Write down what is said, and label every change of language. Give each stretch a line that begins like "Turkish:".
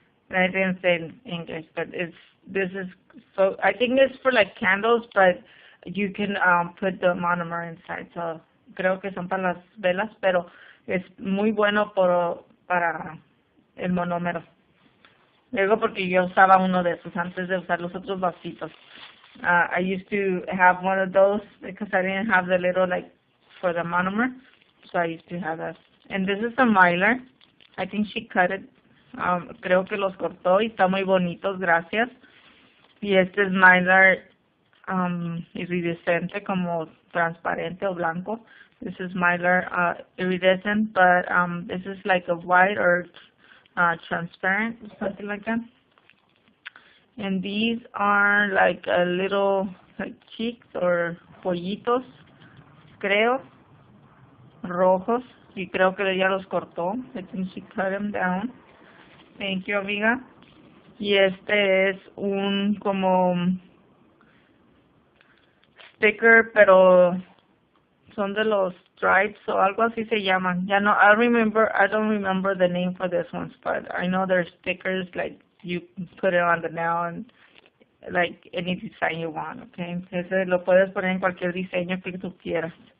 English: And I didn't say in English, but this is I think it's for like candles, but you can put the monomer inside.
Spanish: So creo que son para las velas, pero es muy bueno para el monómero. Luego porque yo usaba uno de esos antes de usar los otros vasitos.
English: I used to have one of those because I didn't have the little like for the monomer, so I used to have that. And this is a Mylar. I think she cut it.
Spanish: Creo que los cortó y está muy bonitos, gracias. Y este es Mylar iridescente, como transparente o blanco.
English: This is Mylar iridescent, but this is like a white or transparent, something like that. And these are like a little like cheeks or
Spanish: pollitos, creo, rojos. Y creo que ella los cortó.
English: I think she cut them down. Thank you, amiga.
Spanish: Y este es un como sticker, pero son de los stripes o algo así se llaman. Ya no,
English: I don't remember the name for this ones, but I know they're stickers, like you put it on the nail and like any design you want, okay?
Spanish: Ese lo puedes poner en cualquier diseño que tú quieras.